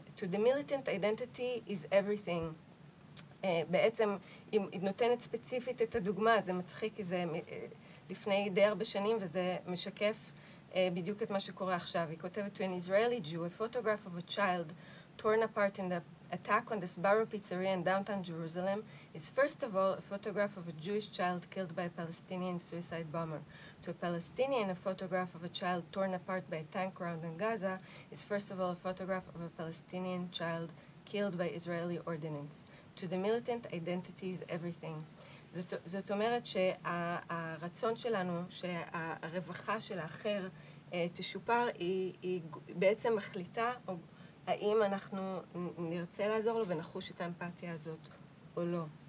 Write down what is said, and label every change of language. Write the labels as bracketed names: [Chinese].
[English] To the militant identity is everything. [Hebrew] בעצם היא נותנת ספציפית את הדוגמה, זה מצחיק כי זה לפני די הרבה שנים וזה משקף בדיוק את מה שקורה עכשיו. היא כותבת, [English] to an Israeli Jew, a photograph of a child torn apart in the attack on the Sbarro pizzeria in downtown Jerusalem is first of all a photograph of a Jewish child killed by a Palestinian suicide bomber. To a Palestinian, a photograph of a child torn apart by a tank round in Gaza is first of all a photograph of a Palestinian child killed by Israeli ordnance. To the militant, identity is everything. [Hebrew] זאת אומרת שהרצון שלנו, שהרווחה של האחר תשופר, היא בעצם מחליטה האם אנחנו נרצה לעזור לו ונחוש את האמפתיה הזאת או לא.